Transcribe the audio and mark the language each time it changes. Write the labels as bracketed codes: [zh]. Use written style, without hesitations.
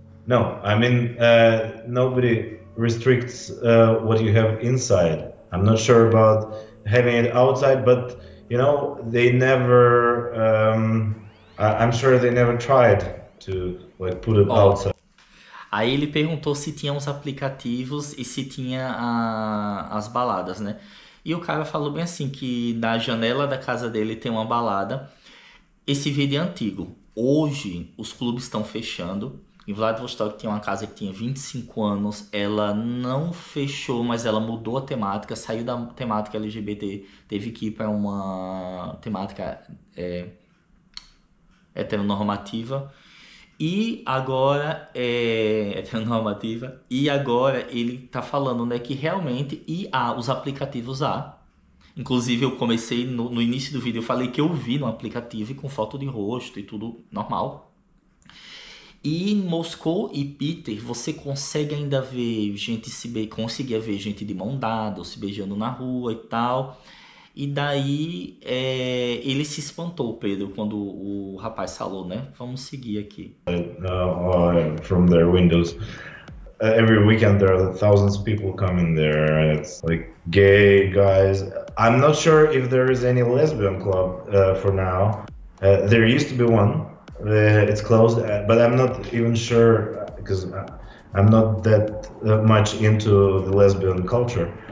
[en] No, I mean, nobody restricts what you have inside. I'm not sure about having it outside, but, you know, they never, I'm sure they never tried to, like, put it outside. [pt] Aí ele perguntou se tinha os aplicativos e se tinha as baladas, né? E o cara falou bem assim, que na janela da casa dele tem uma balada. Esse vídeo é antigo. Hoje, os clubes estão fechando. Em Vladivostok tem uma casa que tinha 25 anos, ela não fechou, mas ela mudou a temática, saiu da temática LGBT, teve que ir para uma temática heteronormativa. E agora, heteronormativa, e agora ele tá falando, né, que realmente, e os aplicativos há. Inclusive eu comecei no início do vídeo, eu falei que eu vi no aplicativo e com foto de rosto e tudo normal. E em Moscou e Peter, você consegue ainda ver gente conseguia ver gente de mão dada, se beijando na rua e tal. E daí ele se espantou, Pedro, quando o rapaz falou, né? Vamos seguir aqui. [en] From their windows. Every weekend there are thousands of people coming there. It's like gay guys. I'm not sure if there is any lesbian club for now. There used to be one. It's closed, but I'm not even sure because I'm not that much into the lesbian culture.